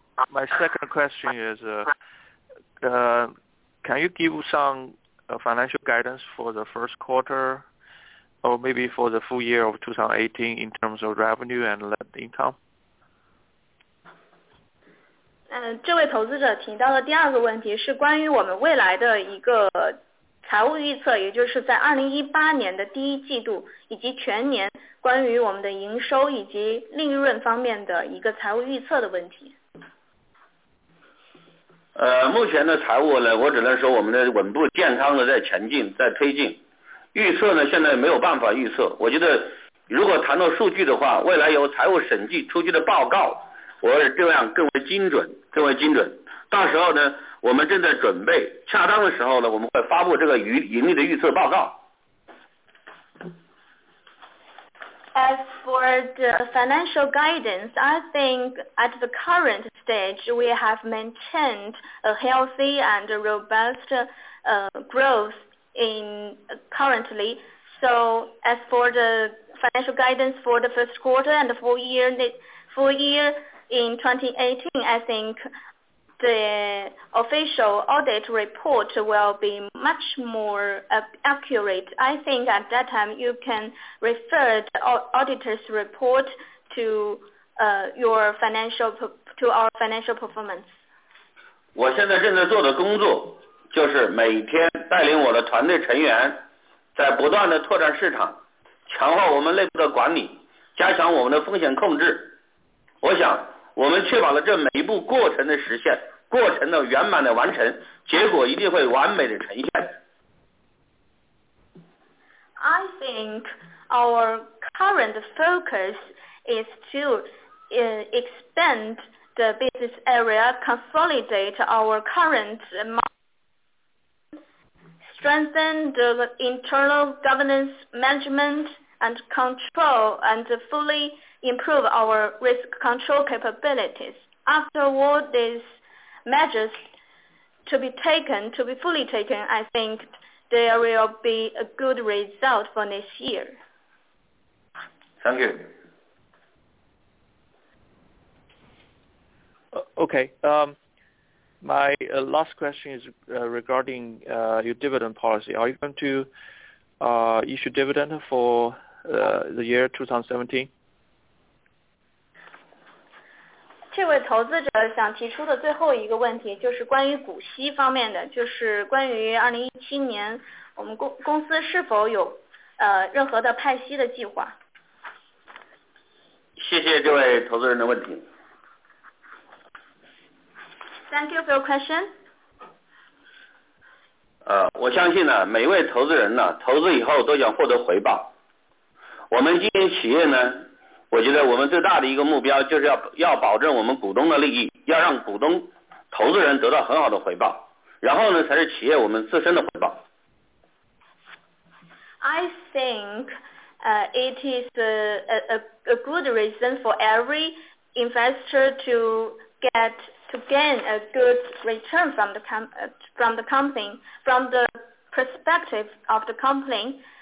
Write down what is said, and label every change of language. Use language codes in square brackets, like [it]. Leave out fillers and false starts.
[en] My second question is, can you give some financial guidance for the first quarter or maybe for the full year of 2018 in terms of revenue and net income? [zh] 这位投资者提到的第二个问题是关于我们未来的一个财务预测，也就是在2018年的第一季度以及全年关于我们的营收以及利润方面的一个财务预测的问题。目前的财务呢，我只能说我们的稳步健康的在前进，在推进。预测呢，现在没有办法预测。我觉得如果谈到数据的话，未来由财务审计出具的报告，我会这样更为精准，更为精准。到时候呢，我们正在准备，恰当的时候呢，我们会发布这个盈利的预测报告。 [en] As for the financial guidance, I think at the current stage, we have maintained a healthy and a robust growth in currently. So as for the financial guidance for the first quarter and the full year in 2018, I think the official audit report will be much more accurate. I think at that time you can refer the auditor's report to our financial performance. [zh] 我现在正在做的工作就是每天带领我的团队成员在不断的拓展市场，强化我们内部的管理，加强我们的风险控制。我想我们确保了这每一步过程的实现，过程的圆满的完成，结果一定会完美的呈现。 [en] I think our current focus is to expand the business area, consolidate our current market, strengthen the internal governance management and control, and fully improve our risk control capabilities. Afterward, this. Measures to be fully taken, I think there will be a good result for this year. Thank you. Okay. My last question is regarding your dividend policy. Are you going to issue dividend for the year 2017? [zh] 这位投资者想提出的最后一个问题就是关于股息方面的，就是关于2017年我们公司是否有任何的派息的计划。谢谢这位投资人的问题。 [en] Thank you for your question. [zh] 我相信呢，每一位投资人呢，投资以后都想获得回报。我们经营企业呢，我觉得我们最大的一个目标就是要保证我们股东的利益，要让股东、投资人得到很好的回报，然后呢，才是企业我们自身的回报。 [en] I think it is a good reason for every investor to get to gain a good return from the company from the perspective of the company.